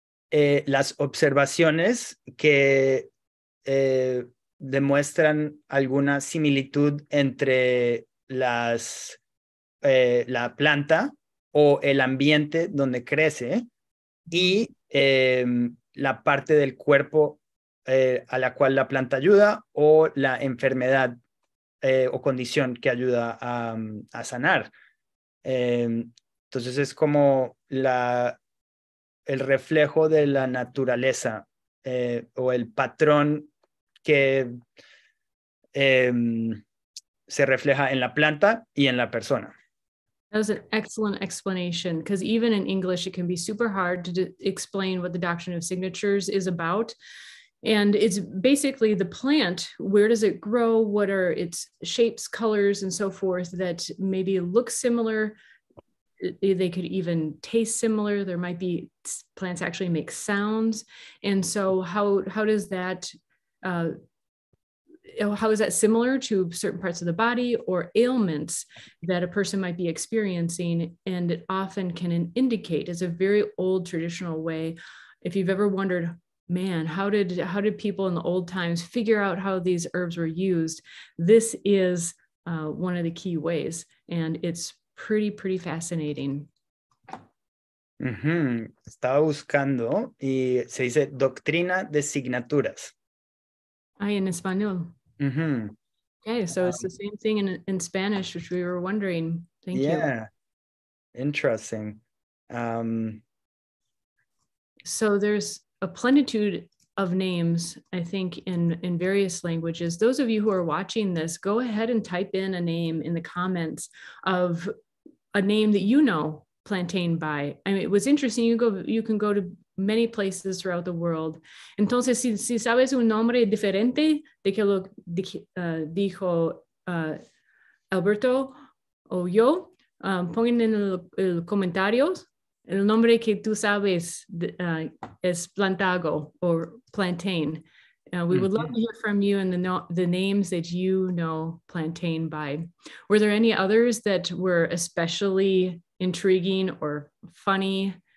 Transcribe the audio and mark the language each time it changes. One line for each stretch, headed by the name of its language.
Spanish: las observaciones que demuestran alguna similitud entre la planta o el ambiente donde crece y la parte del cuerpo a la cual la planta ayuda o la enfermedad o condición que ayuda a sanar. Entonces es como el reflejo de la naturaleza o el patrón que se refleja en la planta y en la persona.
English: That was an excellent explanation, because even in English, it can be super hard to explain what the doctrine of signatures is about. And it's basically the plant, where does it grow? What are its shapes, colors, and so forth that maybe look similar? They could even taste similar. There might be plants actually make sounds. And so how does that how is that similar to certain parts of the body or ailments that a person might be experiencing? And it often can indicate, it's a very old traditional way. If you've ever wondered, man, how did people in the old times figure out how these herbs were used? This is one of the key ways, and it's pretty, pretty fascinating. Mm-hmm.
Spanish: Estaba buscando y se dice doctrina de signaturas. Ay, en español. Mm-hmm.
English: Okay, so it's the same thing in Spanish, which we were wondering. Thank you. Yeah, interesting. So there's a plenitude of names, I think, in various languages. Those of you who are watching this, go ahead and type in a name in the comments of a name that you know plantain by. I mean, it was interesting. You can go to many places throughout the world.
Spanish: Entonces, si sabes un nombre diferente de que lo dijo Alberto o yo, pongan en el comentarios el nombre que tú sabes es plantago or plantain.
English: We would love to hear from you and the names that you know plantain by. Were there any others that were especially intriguing or funny?